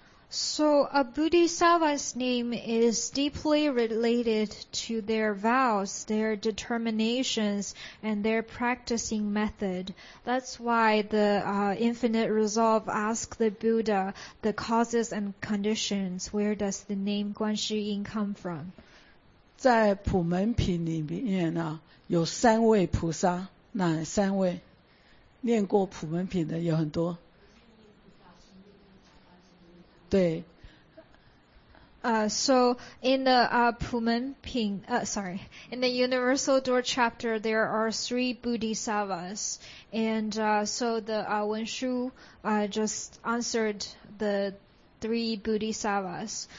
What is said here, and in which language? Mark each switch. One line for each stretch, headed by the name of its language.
English: So a Bodhisattva's name is deeply related to their vows, their determinations, and their practicing method. That's why the Infinite Resolve asked the Buddha the causes and conditions. Where does the name Guan Shiying come from?
Chinese: 在普门品里面有三位菩萨，哪三位？念过普门品的有很多。
English: So in the Pumenping, in the Universal Door chapter, there are three Bodhisattvas, and so the Wenshu just answered the three Bodhisattvas.